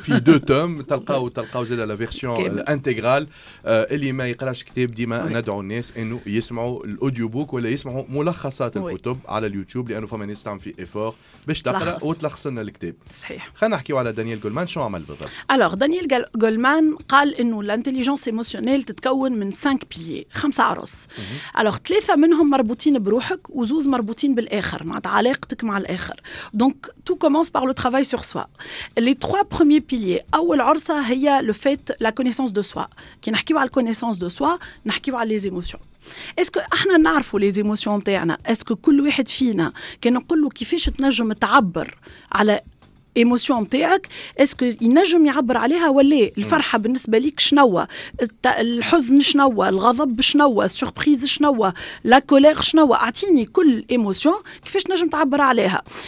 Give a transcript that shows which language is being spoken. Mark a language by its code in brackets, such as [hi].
[ar] في دو توم تلقاو زيد لا فيرسيون انتغرال اللي ما يقراش كتاب ديما ندعو الناس انه يسمعوا الاوديو بوك ولا يسمعوا ملخصات الكتب على اليوتيوب لانه فما ناس تعمل في ايفور باش تقرا وتلخص لنا الكتاب صحيح خلينا نحكيوا على دانيال جولمان شنو عمل بالضبط الوغ دانيال جولمان قال انه الانتيليجنس ايموشنيل تتكون من 5 بيلي 5 عروس الوغ ثلاثه منهم مربوطين بروحك وزوز مربوطين بالاخر معناتها علاقه مع الآخر. [fr] Donc tout commence par le travail sur soi. Les trois premiers piliers. [ar] أول عرصة هي [fr] le fait la connaissance de soi. [ar] كي نحكيوا على connaissance de soi, نحكيوا على les émotions. [fr] Est-ce que [ar] احنا نعرفوا [fr] les émotions [ar] نتاعنا؟ Est-ce que كل واحد فينا كي نقول له كيفاش تنجم تعبر على émotion نتاعك؟ Est-ce que ينجم يعبر عليها ولا الفرحة بالنسبة ليك شنو هو؟ الحزن شنو هو؟ الغضب شنو هو؟ السوربريز شنو هو؟ لا كولير شنو هو؟ اعطيني كل émotion كيفاش نجم تعبر عليها.